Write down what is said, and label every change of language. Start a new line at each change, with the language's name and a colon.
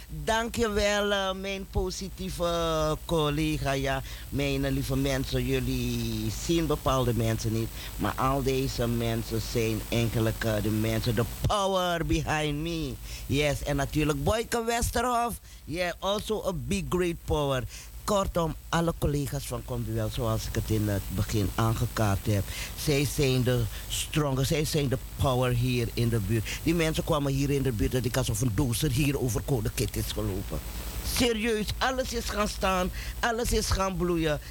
Dutch: Dank je wel, mijn positieve collega. Ja, mijn lieve mensen, jullie zien bepaalde mensen niet. Maar al deze mensen zijn eigenlijk de mensen,
English: the power behind me.
Dutch: Yes, en natuurlijk Boyke Westerhof.
English: Yeah, also a big great power.
Dutch: Kortom, alle collega's van Combiwel, zoals ik het in het begin aangekaart heb. Zij zijn de stronger, zij zijn de power hier in de buurt. Die mensen kwamen hier in de buurt dat ik alsof een dozer hier over Code Kit is gelopen. Serieus, alles is gaan staan, alles is gaan bloeien.